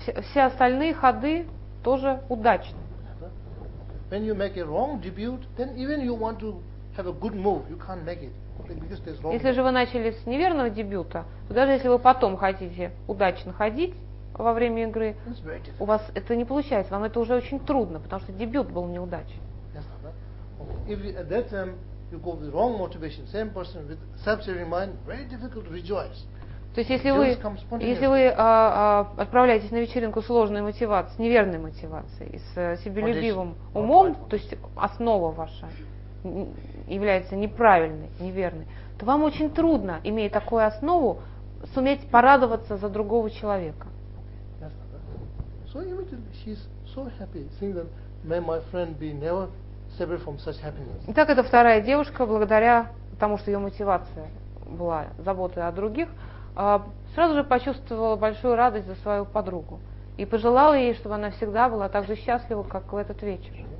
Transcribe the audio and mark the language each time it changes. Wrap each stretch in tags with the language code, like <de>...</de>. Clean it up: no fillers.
<ru>все остальные ходы тоже удачны.</ru> <en>When you make a wrong debut, then even you want to have a good move, you can't make it. Because there's wrong.</en> <ru>Если же вы начали с неверного дебюта, то даже если вы потом хотите удачно ходить во время игры, у вас это не получается, вам это уже очень трудно, потому что дебют был неудачен.</ru> <en>Yes, okay. If at that time you go with the wrong motivation, same person with self-serving mind, very difficult to rejoice.</en> <ru>То есть если вы отправляетесь на вечеринку с ложной мотивацией, с неверной мотивацией, с себелюбивым умом, то есть основа ваша является неправильной, неверной, то вам очень трудно, имея такую основу, суметь порадоваться за другого человека.</ru> <en>So immediately she's so happy, saying that may my friend be never separate from such happiness.</en> <ru>Итак, эта вторая девушка, благодаря тому, что ее мотивация была заботой о других, сразу же почувствовала большую радость за свою подругу и пожелала ей, чтобы она всегда была так же счастлива, как в этот вечер.</ru>